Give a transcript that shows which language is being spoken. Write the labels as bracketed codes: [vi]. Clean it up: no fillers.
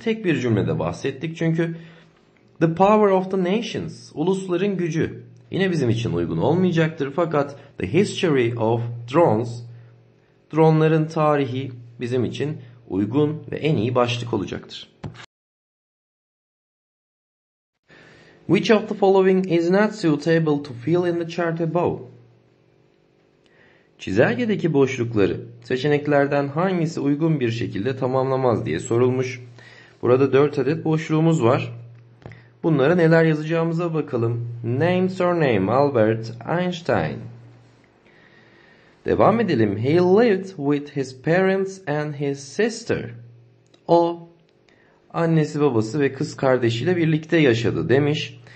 [tr] Tek bir cümlede bahsettik çünkü. [en] The power of the nations. [tr] Ulusların gücü. Yine bizim için uygun olmayacaktır. Fakat [en] the history of drones. [tr] Dronların tarihi bizim için uygun ve en iyi başlık olacaktır. [en] Which of the following is not suitable to fill in the chart above? [tr] Çizelgedeki boşlukları seçeneklerden hangisi uygun bir şekilde tamamlamaz diye sorulmuş. Burada 4 adet boşluğumuz var. Bunlara neler yazacağımıza bakalım. [en] Name, surname, Albert Einstein. [tr] Devam edelim. [en] He lived with his parents and his sister. [tr] O, annesi babası ve kız kardeşiyle birlikte yaşadı demiş.